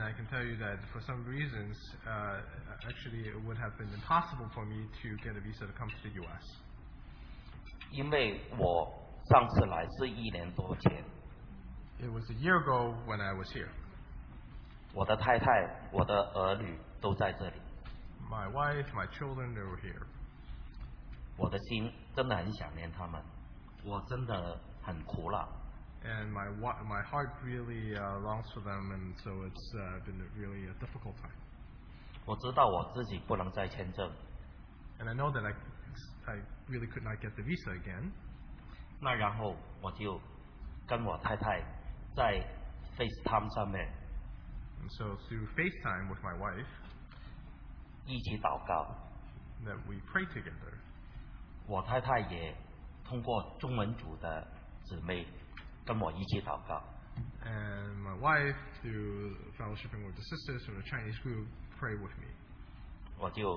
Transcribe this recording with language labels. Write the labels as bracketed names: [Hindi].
[English] I can tell you that for some reasons, actually, it would have been impossible for me to get a visa to come to the U.S. [Chinese] 因为我 上次来是一年多前。 [English] It was a year ago when I was here. [Chinese] 我的太太，我的儿女都在这里。 [English] My wife, my children, they were here. [Chinese] 我的心真的很想念他们，我真的很苦恼。 [English] And my heart really longs for them, and so it's been really a difficult time. [Chinese] 我知道我自己不能再签证。 [English] And I know that I really could not get the visa again. [Chinese] 那然后我就跟我太太在 FaceTime 上面。 [English] And so through FaceTime with my wife, [Chinese] 一起祷告。 [English] That we pray together. [Chinese] 我太太也通过中文组的姊妹。跟我一起祷告。 [English] And my wife, through fellowshipping with the sisters from the Chinese group, pray with me.